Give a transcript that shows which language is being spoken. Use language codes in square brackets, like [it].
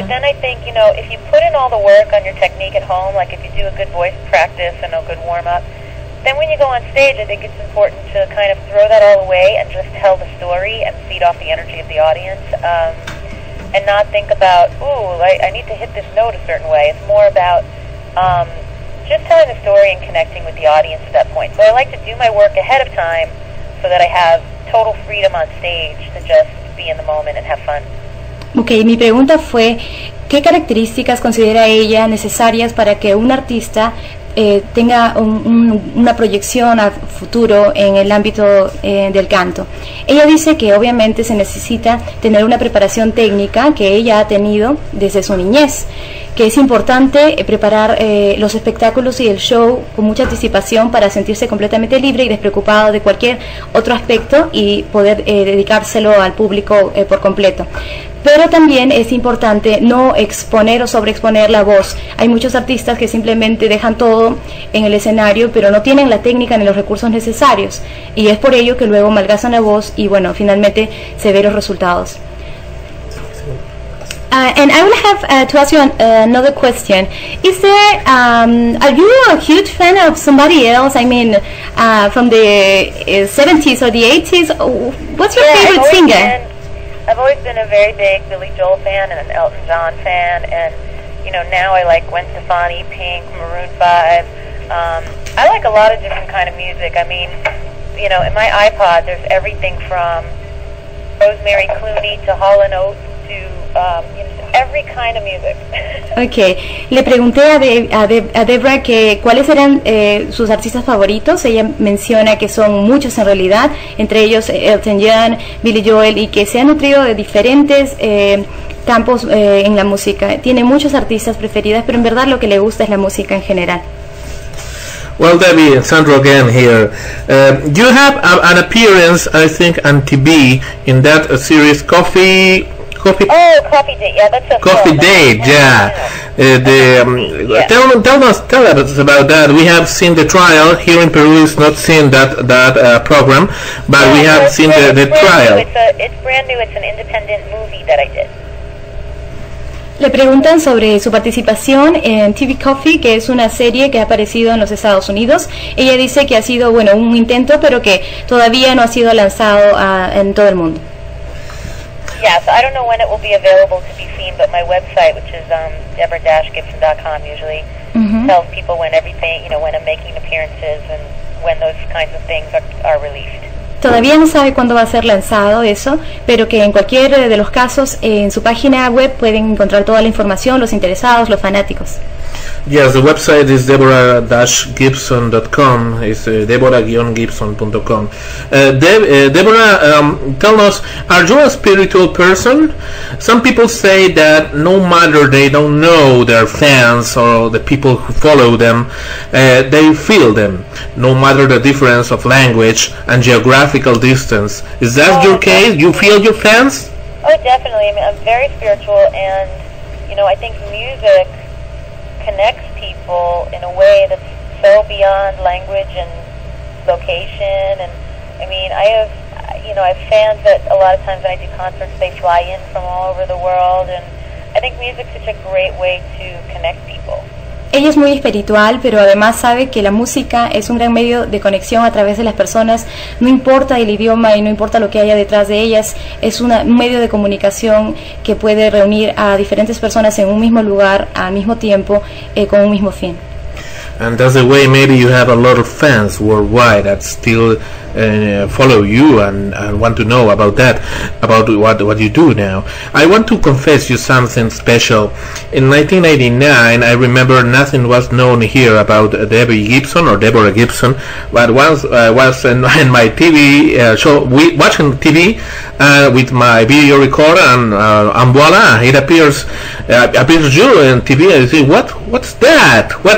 [en] But then I think, you know, if you put in all the work on your technique at home, like if you do a good voice practice and a good warm-up, then when you go on stage, I think it's important to kind of throw that all away and just tell the story and feed off the energy of the audience and not think about, ooh, I need to hit this note a certain way. It's more about just telling the story and connecting with the audience at that point. So I like to do my work ahead of time so that I have total freedom on stage to just be in the moment and have fun. [es] Okay, mi pregunta fue, ¿qué características considera ella necesarias para que un artista tenga una proyección a futuro en el ámbito del canto? Ella dice que obviamente se necesita tener una preparación técnica que ella ha tenido desde su niñez, que es importante preparar los espectáculos y el show con mucha anticipación para sentirse completamente libre y despreocupado de cualquier otro aspecto y poder dedicárselo al público por completo. Pero también es importante no exponer o sobreexponer la voz. Hay muchos artistas que simplemente dejan todo en el escenario, pero no tienen la técnica ni los recursos necesarios. Y es por ello que luego malgastan la voz y, bueno, finalmente se ven los resultados. [en] And I will have to ask you another question. Is there, are you a huge fan of somebody else? I mean, from the 70s or the 80s? What's your favorite singer? I've always been a very big Billy Joel fan and an Elton John fan, and, you know, now I like Gwen Stefani, Pink, Maroon 5. I like a lot of different kind of music. I mean, you know, in my iPod, there's everything from Rosemary Clooney to Hall & Oates to every kind of music. Okay. [es] Le pregunté a Debra que cuáles eran sus artistas favoritos. Ella menciona que son muchos en realidad, entre ellos Elton John, Billy Joel, y que se ha nutrido de diferentes campos en la música. Tiene muchos artistas preferidas, pero en verdad lo que le gusta es la música en general. [en] Well, Debbie, Sandro again here. You have an appearance, I think, on TV in that series, Coffee Date. Tell us about that. We have seen the trial here in Peru. It's not seen that program, but yeah, we have seen the trial. It's brand new. It's an independent movie that I did. [es] Le preguntan sobre su participación en TV Coffee, que es una serie que ha aparecido en los Estados Unidos. Ella dice que ha sido, bueno, un intento, pero que todavía no ha sido lanzado en todo el mundo. [en] Yes, I don't know when it will be available to be seen, but my website, which is deborah-gibson.com, usually tells people when everything, you know, when I'm making appearances and when those kinds of things are released. [es] Todavía no sabe cuándo va a ser lanzado eso, pero que en cualquier de los casos, en su página web pueden encontrar toda la información, los interesados, los fanáticos. [en] Yes, the website is deborah-gibson.com, it's deborah-gibson.com. Tell us, are you a spiritual person? Some people say that no matter they don't know their fans or the people who follow them, they feel them, no matter the difference of language and geographical distance. Is that your case? You feel your fans? Oh, definitely. I mean, I'm very spiritual, and, you know, I think music connects people in a way that's so beyond language and location. And I mean, I have, you know, I have fans that a lot of times when I do concerts, they fly in from all over the world. And I think music's such a great way to connect people. [es] Ella es muy espiritual, pero además sabe que la música es un gran medio de conexión a través de las personas. No importa el idioma y no importa lo que haya detrás de ellas, es un medio de comunicación que puede reunir a diferentes personas en un mismo lugar, al mismo tiempo, con un mismo fin. [en] And that's the way maybe you have a lot of fans worldwide that still follow you and want to know about that, about what you do now. I want to confess you something special. In 1989, I remember nothing was known here about Debbie Gibson or Deborah Gibson, but once I was in my TV show, watching TV with my video recorder, and voila, it appears you in TV, and you say, what's that?